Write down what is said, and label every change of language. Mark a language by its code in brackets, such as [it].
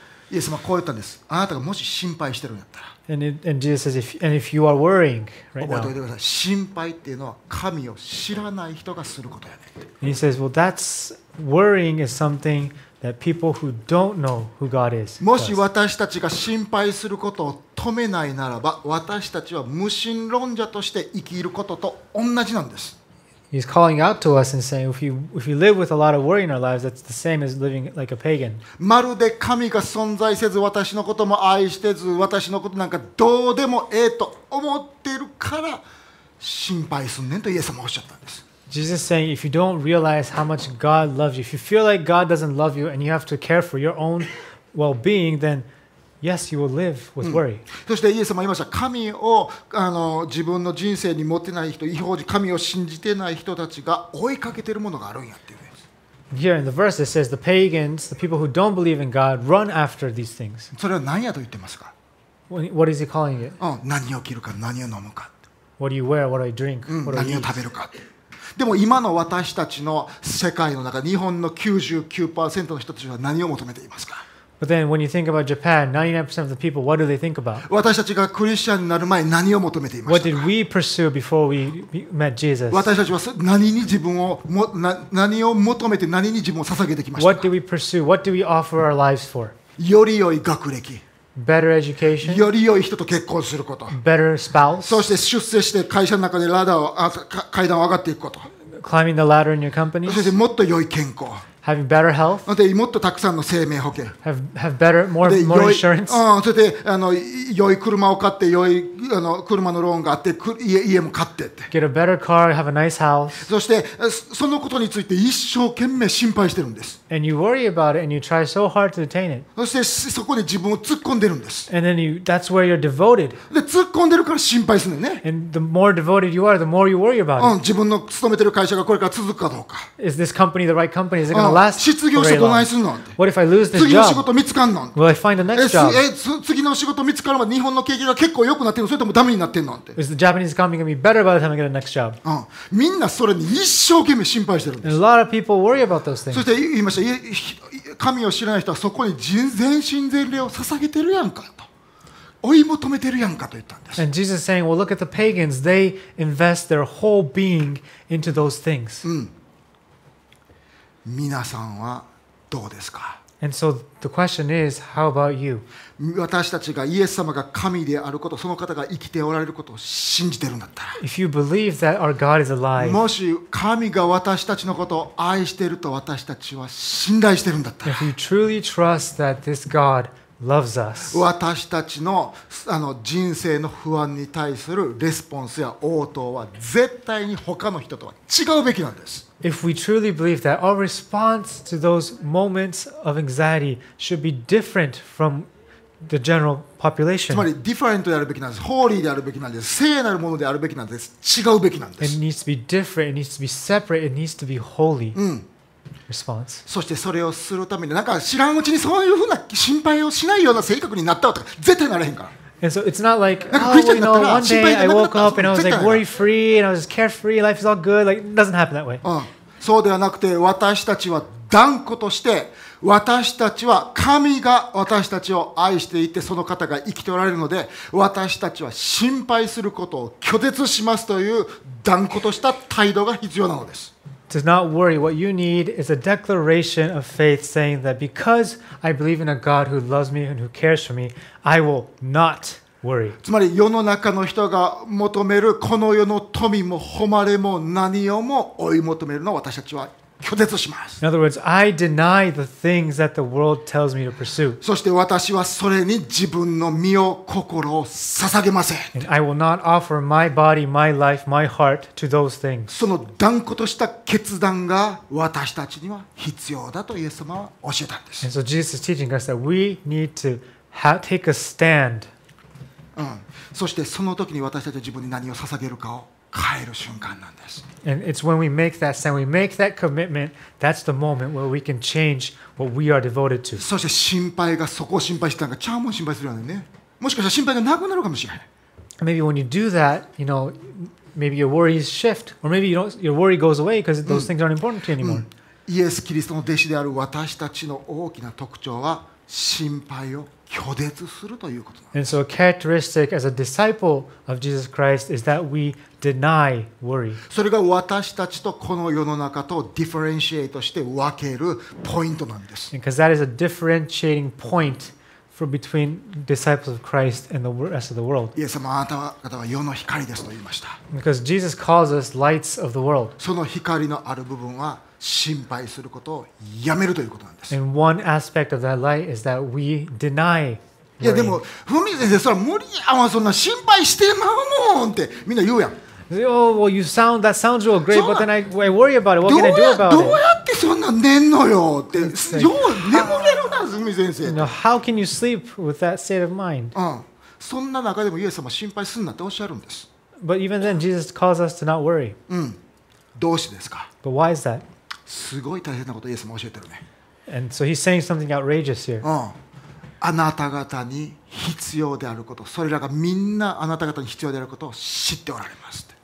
[ja] イエス様こう言ったんです。あなたがもし心配してるんだったら、 [en] And Jesus says, if you are worrying right now, [ja] 心配っていうのは神を知らない人がすることやね。 [en] He says, well, that's worrying is something. That people who don't know who God is, [ja] もし私たちが心配することを止めないならば私たちは無神論者として生きることと同じなんです。 [en] He's calling out to us and saying, if you live with a lot of worry in our lives, that's the same as living like a pagan. [ja] まるで神が存在せず私のことも愛してず私のことなんかどうでもええと思ってるから心配すんねんとイエス様はおっしゃったんです。 [en] Jesus is saying, if you don't realize how much God loves you, if you feel like God doesn't love you and you have to care for your own well-being, then yes, you will live with worry.、うん、 [ja] そしてイエス様言いました。神を自分の人生に持ってない人、異邦人、神を信じてない人たちが追いかけてるものがあるんやっていうんです。 [en] Here in the verse it says, the pagans, the people who don't believe in God, run after these things. [ja] それは何やと言ってますか? [en] What is he calling it?、 [ja] うん、何を着るか、何を飲むか。 [en] What do you wear, what do you drink, what do you eat? [ja] 何を食べるか。でも今の私たちの世界の中、日本の 99% の人たちは何を求めていますか? [en] But then when you think about Japan, 99% of the people, what do they think about? [ja] 私たちがクリスチャンになる前何を求めていましたか? [en] What did we pursue before we met Jesus? [ja] 私たちは何に自分を、何を求めて何に自分を捧げてきましたか? [en] What did we pursue? What did we offer our lives for? [ja] より良い学歴。 [en] Better education. [ja] より良い人と結婚すること。 [en] Better spouse. [ja] そして出世して会社の中でラダーを、階段を上がっていくこと。 [en] Climbing the ladder in your company. [ja] そしてもっと良い健康。 [en] having better health. [ja] で、もっとたくさんの生命保険。 [en] have better more insurance. [ja] うん、それで良い車を買って良い車のローンがあって家も買ってって。 [en] get a better car, have a nice house. [ja] そしてそのことについて一生懸命心配してるんです。 [en] and you worry about it and you try so hard to attain it. [ja] そしてそこに自分を突っ込んでるんです。 [en] and then you that's where you're devoted. [ja] で、突っ込んでるから心配するね。 [en] and the more devoted you are, the more you worry about it. [ja] うん、自分の勤めてる会社がこれから続くかどうか。 [en] is this company the right company? [ja] 失業してどないすんの [en] What if I lose this [ja] 次の仕事見つかんの [en] Will I find the next job? [ja] 次の仕事見つかるまで日本の景気が結構良くなってんのそれともダメになってんのって [en] Is the Japanese economy going to be better by the time I get a next job? [ja] みんなそれに一生懸命心配してるんです [en] And a lot of people worry about those things. [ja] そして言いました神を知らない人はそこに全身全霊を捧げてるやんかと追い求めてるやんかと言ったんです [en] And Jesus saying, well, look at the pagans. They invest their whole being into those things. [ja] 皆さんはどうですか? [en] And so the question is, how about you? [ja] 私たちがイエス様が神であること、その方が生きておられることを信じてるんだったら。 [en] If you believe that our God is alive, [ja] もし神が私たちのことを愛していると私たちは信頼してるんだったら。 [en] If you truly trust that this God loves us, [ja] 私たちの、人生の不安に対するレスポンスや応答は絶対に他の人とは違うべきなんです。 [en] If we truly believe that our response to those moments of anxiety should be different from the general population, [ja] つまり different であるべきなんです。Holy であるべきなんです。聖なるものであるべきなんです。違うべきなんです。 [en] It needs to be different. It needs to be separate. It needs to be holy. Response. [ja] そしてそれをするためになんか知らんうちにそういうふうな心配をしないような性格になったとか絶対ならへんから。 [en] And so it's not like, oh, you know, one day I woke up and I was like worry-free and I was just carefree, life is all good. Like, it doesn't happen that way. [ja] そうではなくて、私たちは断固として、私たちは神が私たちを愛していて、その方が生きておられるので、私たちは心配することを拒絶しますという断固とした態度が必要なのです。 [en] Do not worry. What you need is a declaration of faith saying that because I believe in a God who loves me and who cares for me, I will not worry. [ja] つまり世の中の人が求めるこの世の富も誉れも何をも追い求めるのを私たちは拒絶します。 [en] In other words, I deny the things that the world tells me to pursue. [ja] そして私はそれに自分の身を心を捧げません。 [en] And I will not offer my body, my life, my heart to those things. [ja] その断固とした決断が私たちには必要だとイエス様は教えたんです。 [en] And so Jesus is teaching us that we need to take a stand. [ja] そしてその時に私たちは自分に何を捧げるかを変える瞬間なんです。 [en] And it's when we make that stand, we make that commitment, that's the moment where we can change what we are devoted to. [ja] そして心配がそこを心配したのか、ちゃうもん心配するよね。もしかしたら心配がなくなるかもしれない。 [en] Maybe when you do that, you know, maybe your worries shift, or maybe you don't, your worry goes away because those things aren't important to you anymore. [ja] イエス・キリストの弟子である私たちの大きな特徴は心配を拒絶するということなんです。 [en] And so a characteristic as a disciple of Jesus Christ is that we deny worry. [ja] それが私たちとこの世の中とdifferentiateして分けるポイントなんです。 [en] Because that is a differentiating point for between disciples of Christ and the rest of the world. [ja] イエス様、あなた方は世の光ですと言いました。 [en] Because Jesus calls us lights of the world. [ja] その光のある部分は心配することをやめるということなんです。 [en] And one aspect of that light is that we deny worry. [ja] いやでも、ふみ先生、それは無理やわ、そんな心配してまうもんってみんな言うやん。 [en] Oh, well, that sounds real great, but then I worry about it. What can I do about it? [ja] どうやってそんな寝んのよって、よう眠れるな、ふみ先生。 [en] How can you sleep with that state of mind? [ja] そんな中でもイエス様心配すんなっておっしゃるんです。 [en] But even then, Jesus calls us to not worry. [ja] どうしてですか? [en] But why is that? [ja] すごい大変なことをイエスも教えてるね。 [en] And so he's saying something outrageous here. [ja] あなた方に必要であること、それらがみんなあなた方に必要であることを知っておられます。